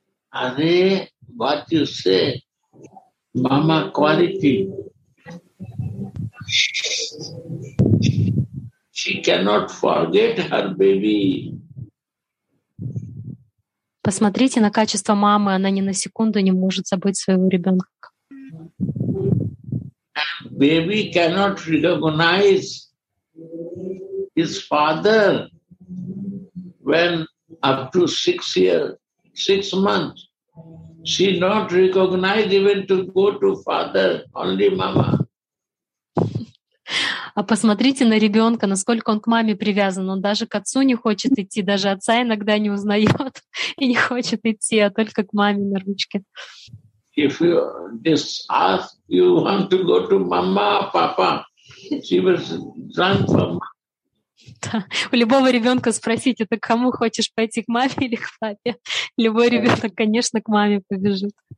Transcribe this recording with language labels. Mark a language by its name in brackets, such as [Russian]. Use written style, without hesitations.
[Russian] Они, [English] what you say? Mama quality. She cannot forget her baby. [Russian] Посмотрите на качество мамы, она ни на секунду не может забыть своего ребенка. [English] And baby cannot recognize his father when up to 6 months. She not recognized even to go to father, only mama. [Russian] А посмотрите на ребенка, насколько он к маме привязан. Он даже к отцу не хочет идти, даже отца иногда не узнает и не хочет идти, а только к маме на ручке. [English] If you just ask, you want to go to mama, papa, she will run from. [Russian] У любого ребенка спросите, ты к кому хочешь пойти, к маме или к папе? Любой ребенок, конечно, к маме побежит.